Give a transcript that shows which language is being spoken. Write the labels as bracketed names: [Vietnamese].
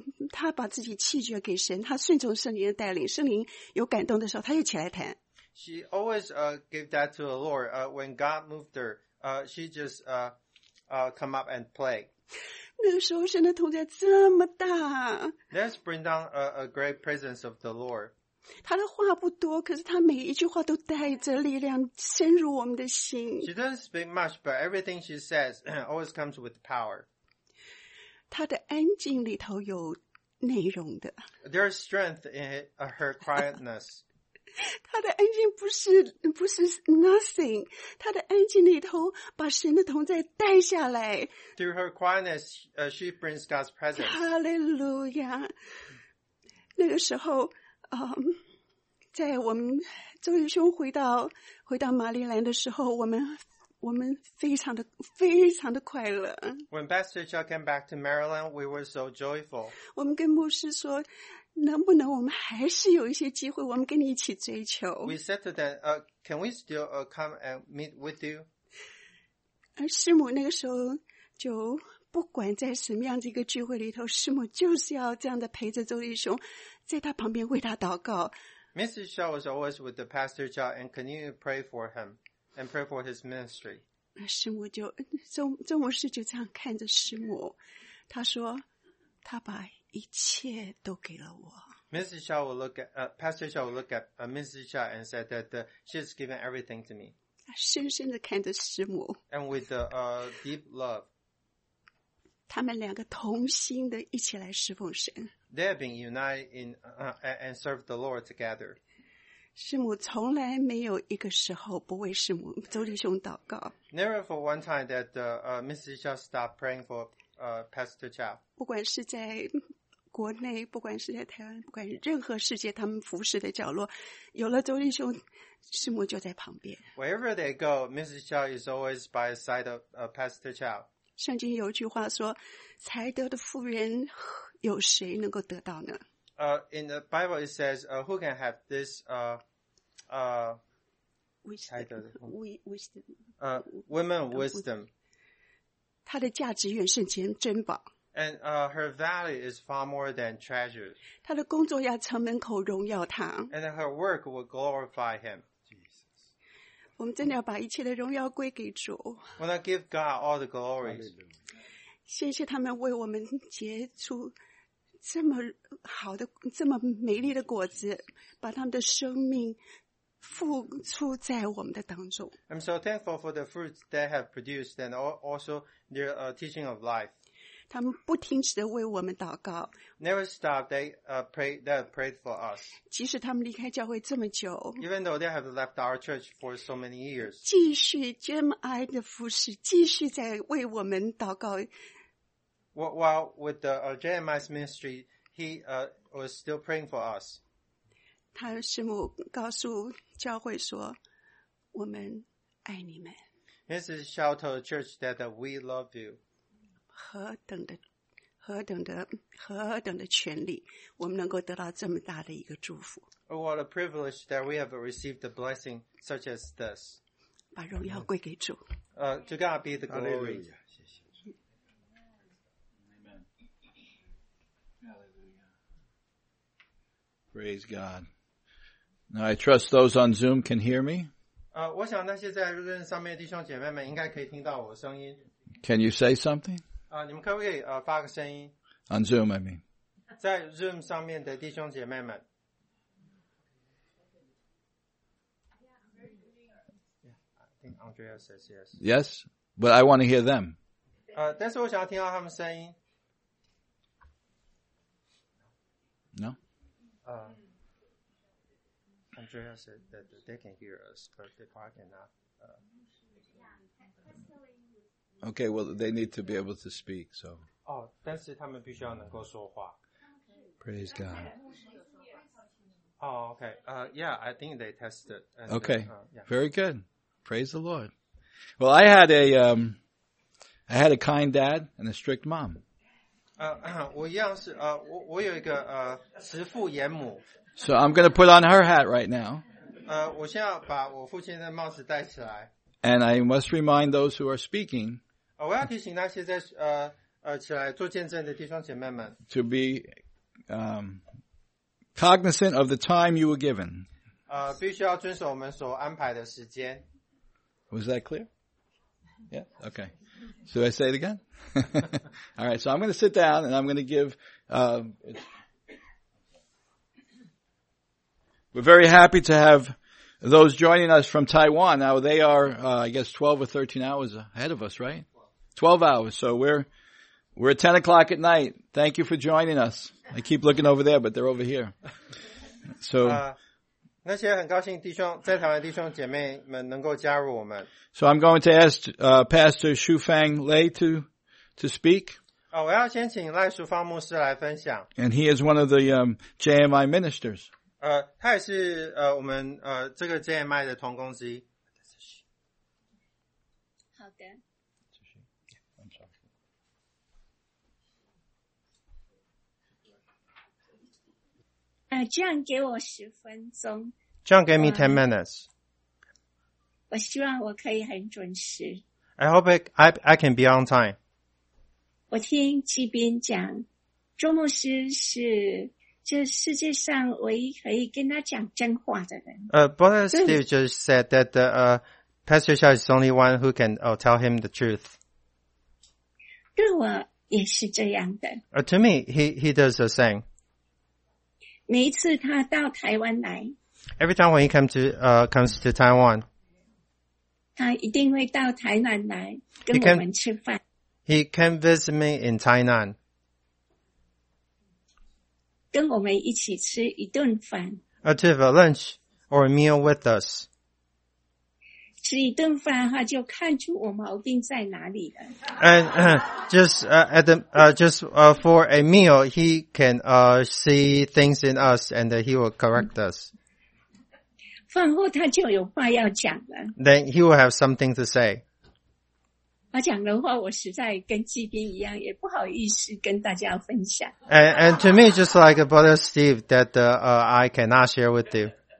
[Chinese] 她把自己弃绝给神，她顺从圣灵的带领，圣灵有感动的时候，她就起来弹。 [English] She always gave that to the Lord. When God moved her, she just come up and play. [Chinese] 那个时候神的同在这么大。 [English] Let's bring down a great presence of the Lord. [Chinese] 他的话不多，可是他每一句话都带着力量深入我们的心。 [English] She doesn't speak much, but everything she says always comes with power. [Chinese] 他的安静里头有内容的。 [English] There's strength in her quietness. [Chinese] 他的安静不是 [English] nothing. [Chinese] 他的安静里头把神的同在带下来。 [English] Through her quietness, she brings God's presence. Hallelujah. [Chinese] 那个时候在我们周瑜兄回到马里兰的时候，我们非常的非常的快乐。 [English] When Pastor Chuck came back to Maryland, we were so joyful. [Chinese] 我们跟牧师说，能不能我们还是有一些机会，我们跟你一起追求。 [English] We said to them, can we still come and meet with you? [Chinese] 而师母那个时候就。不管在什么样的一个聚会里头，师母就是要这样的陪着周弟兄，在他旁边为他祷告。 [English] Mrs. Chow was always with the Pastor Chow and continue to pray for him and pray for his ministry. 师母就周牧师就这样看着师母，他说他把一切都给了我。 Mrs. Chow will look at Pastor Chow will look at Mrs. Chow and said that she's given everything to me. [Chinese] 深深的看着师母 [English] ，and with the deep love. [Chinese] 他们两个同心的一起来侍奉神。 [English] They have been united in and serve the Lord together. [Chinese] 师母从来没有一个时候不为师母周弟兄祷告。 [English] Never for one time that Mrs. Chow stopped praying for Pastor Chow. [Chinese] 不管是在国内，不管是在台湾，不管任何世界他们服侍的角落，有了周弟兄，师母就在旁边。 [English] Wherever they go, Mrs. Chow is always by the side of Pastor Chow. [Chinese] 圣经有句话说，才德的妇人有谁能够得到呢？ [English] In the Bible it says, who can have this, woman wisdom. [Chinese] 她的价值远胜钱珍宝。 [English] And, her value is far more than treasure. [Chinese] 她的工作要城门口荣耀她。 [English] And her work will glorify him. [Chinese] 我们真的要把一切的荣耀归给主。 [English] When I give God all the glory. [Chinese] 谢谢他们为我们结出这么好的、这么美丽的果子，把他们的生命付出在我们的当中。 [English] I'm so thankful for the fruits they have produced and also their teaching of life. [Chinese] 他们不停止的为我们祷告。 [English] Never stop. They pray. They have prayed for us. [Chinese] 即使他们离开教会这么久 [English] ，Even though they have left our church for so many years, [Chinese] 继续 GMI 的服侍，继续在为我们祷告。 [English] While with the GMI's ministry, he was still praying for us. [Chinese] 他师母告诉教会说：“我们爱你们。” [English] Mrs. Chow told the church that we love you. [Chinese] 何等的！何等的权利，我们能够得到这么大的一个祝福。 [English] Oh, what a privilege that we have received a blessing such as this. [Chinese] 把荣耀归给主。 [English] To God be the glory. [Chinese] Hallelujah. 谢谢。 [English] Amen. Praise God. Now I trust those on Zoom can hear me. [Chinese] 我想那些在 Zoom 上面的弟兄姐妹们应该可以听到我的声音。 [English] Can you say something? [Chinese] 你们可不可以发个声音 [English] On Zoom I mean [Chinese] 在 Zoom 上面的弟兄姐妹们 [English] Andrea says yes. Yes, but I want to hear them. [Chinese] 但是我想要听到他们声音。 [English] No? Andrea said that they can hear us, but they probably cannot. Okay, well, they need to be able to speak, so. 但是他们必须要能够说话。 Praise God. Okay, I think they tested. Very good. Praise the Lord. Well, I had a kind dad and a strict mom. [Chinese] 我有一个慈父严母。 [English] So I'm going to put on her hat right now. [Chinese] 我现在把我父亲的帽子戴起来。 [English] And I must remind those who are speaking. [Chinese] 我要提醒那些在起来做见证的弟兄姐妹们。 [English] To be cognizant of the time you were given. [Chinese] 必须要遵守我们所安排的时间。 [English] Was that clear? Yeah? Okay. Should I say it again? All right. So I'm going to sit down and I'm going to give... we're very happy to have those joining us from Taiwan. Now, they are, 12 or 13 hours ahead of us, right? 12 hours. So we're at 10 o'clock at night. Thank you for joining us. I keep looking over there, but they're over here. So... [Chinese] 那些很高兴弟兄在台湾弟兄姐妹们能够加入我们。 [English] So I'm going to ask Pastor Xu Fang Lei to speak. [Chinese] 我要先请赖淑芳牧师来分享。 [English] And he is one of the JMI ministers. [Chinese] 他也是我们这个 JMI 的同工之一。好的。这样给我十分钟。这样给 [English] me 10 minutes. [Chinese] 我希望我可以很准时。 [English] I hope I can be on time. [Chinese] 我听纪斌讲，周牧师是这世界上唯一可以跟他讲真话的人。 [English] Brother Steve just said that Pastor Xiao is the only one who can tell him the truth. [Chinese] 对我也是这样的。 [English] To me, he does the same. [Chinese] 每一次他到台湾来 [English] ，Every time when he comes to Taiwan， [Chinese] 他一定会到台南来跟我们吃饭。 [English] He can visit me in Tainan， [Chinese] 跟我们一起吃一顿饭。 [English] To have a lunch or a meal with us， [Chinese] 吃一顿饭的话就看出我毛病在哪里了。 [English] And for a meal, he can see things in us, and he will correct us. [Chinese] 饭后他就有话要讲了。 [English] Then he will have something to say. [Chinese] 他讲的话，我实在跟纪斌一样，也不好意思跟大家分享。 [English] And to me, just like Brother Steve, that I cannot share with you.